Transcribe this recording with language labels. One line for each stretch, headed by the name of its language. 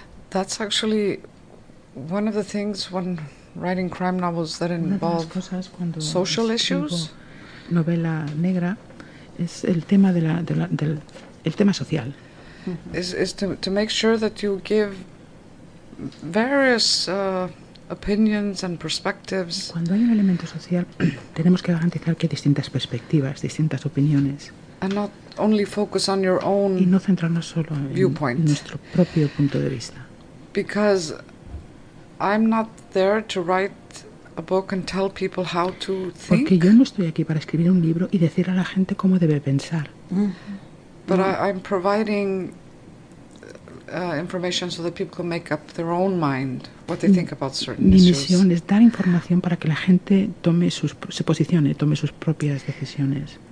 English: That's actually one of the things when writing crime novels that involve social issues.
Spanish: Novela negra es el tema del tema social.
English: Is to make sure that you give various opinions and perspectives.
Spanish: Cuando hay un elemento social, tenemos que garantizar que hay distintas perspectivas, distintas opiniones.
English: And not only focus on your own
Spanish: y no centrarnos solo
English: viewpoint.
Spanish: En nuestro propio punto de vista.
English: Because I'm not there to write a book and tell people how to think.
Spanish: Porque yo no estoy aquí para escribir un libro y decir a la gente cómo debe pensar. Mm-hmm.
English: But I'm providing information so that people can make up their own mind what they think about certain issues.
Spanish: Mi misión es dar información para que la gente tome sus propias decisiones.